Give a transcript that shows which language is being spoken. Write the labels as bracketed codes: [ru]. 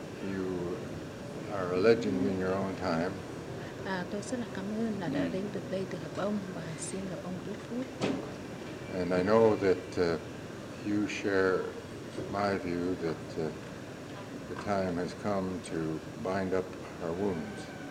[en] You are a legend in your own time. [vi] Tôi rất là cảm ơn là đã đến được đây từ gặp ông và xin gặp ông ít phút. [en] And I know that you share my view that the time has come to bind up our wounds.